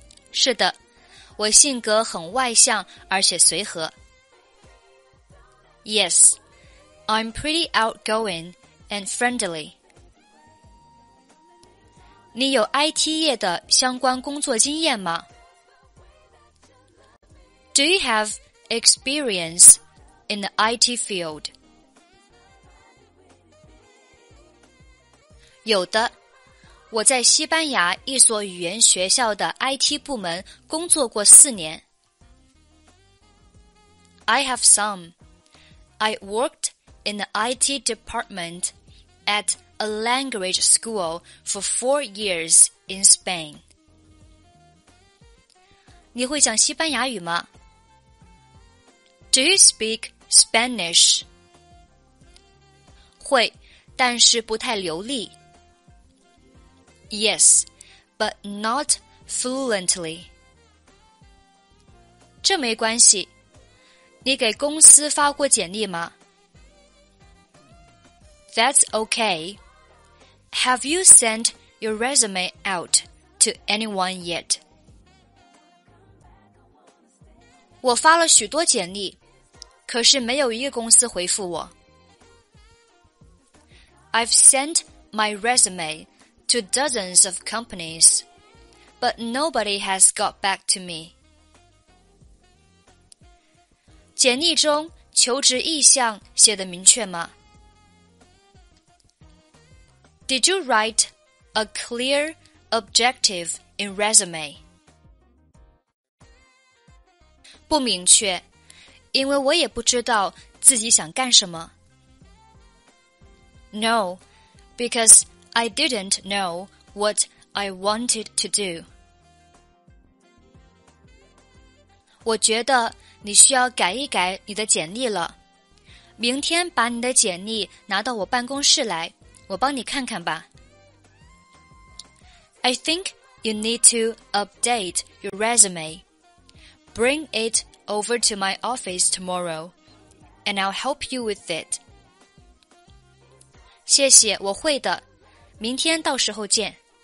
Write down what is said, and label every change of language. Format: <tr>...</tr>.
<zh>是的，我性格很外向而且随和。</zh> <en>Yes, I'm pretty outgoing and friendly.</en> <zh>你有 IT 业的相关工作经验吗？</zh> <en>Do you have experience in the IT field?</en> <zh>有的，我在西班牙一所语言学校的 IT 部门工作过四年。</zh> <en>I have some. I worked in the IT department at a language school for 4 years in Spain.</en> <zh>你会讲西班牙语吗？</zh> <en>Do you speak Spanish?</en> <zh>会，但是不太流利。</zh> <en>Yes, but not fluently.</en> <zh>这没关系。你给公司发过简历吗？</zh> <en>That's okay. Have you sent your resume out to anyone yet?</en> <zh>我发了许多简历，可是没有一个公司回复我。</zh> <en>I've sent my resume to dozens of companies, but nobody has got back to me.</en> <zh>简历中求职意向写得明确吗？</zh> <en>Did you write a clear objective in resume?</en> <zh>不明确，因为我也不知道自己想干什么。</zh> <en>No, because I didn't know what I wanted to do.</en> <zh>我觉得你需要改一改你的简历了。明天把你的简历拿到我办公室来。我帮你看看吧。</zh> <en>I think you need to update your resume. Bring it over to my office tomorrow, and I'll help you with it.</en> <zh>谢谢，我会的。明天到时候见。</zh>